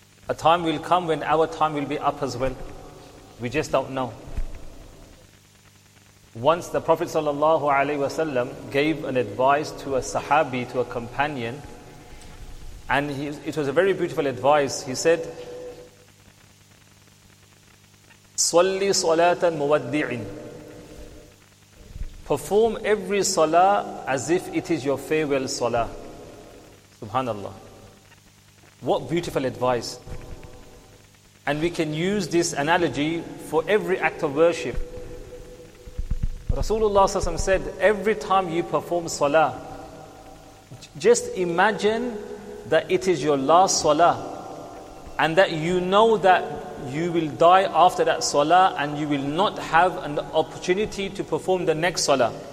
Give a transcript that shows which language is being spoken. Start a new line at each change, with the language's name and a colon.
English: A time will come when our time will be up as well. We just don't know. Once the Prophet ﷺ gave an advice to a Sahabi, to a companion, and it was a very beautiful advice.
Arabic: He said, صَلِّ صَلَاتًا مُوَدِّعٍ.
English: Perform every salah as if it is your farewell salah. Subhanallah. What beautiful advice. And we can use this analogy for every act of worship. Rasulullah ﷺ said, every time you perform salah, just imagine that it is your last salah and that you know that you will die after that salah and you will not have an opportunity to perform the next salah.